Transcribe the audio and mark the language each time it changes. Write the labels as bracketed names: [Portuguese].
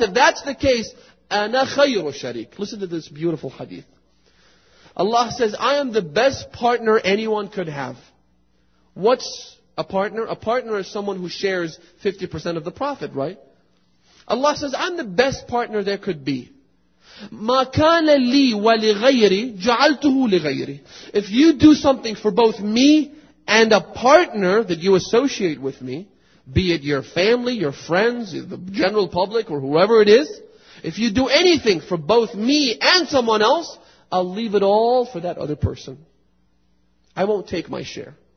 [English] If that's the case, [Arabic] أَنَا خَيْرُ شَرِيكٌ. [English] Listen to this beautiful hadith. Allah says, I am the best partner anyone could have. What's a partner? A partner is someone who shares 50% of the profit, right? Allah says, I'm the best partner there could be. [Arabic] مَا كَانَ لِي وَلِغَيْرِي جَعَلْتُهُ لِغَيْرِي. [English] If you do something for both me and a partner that you associate with me, be it your family, your friends, the general public, or whoever it is, if you do anything for both me and someone else, I'll leave it all for that other person. I won't take my share.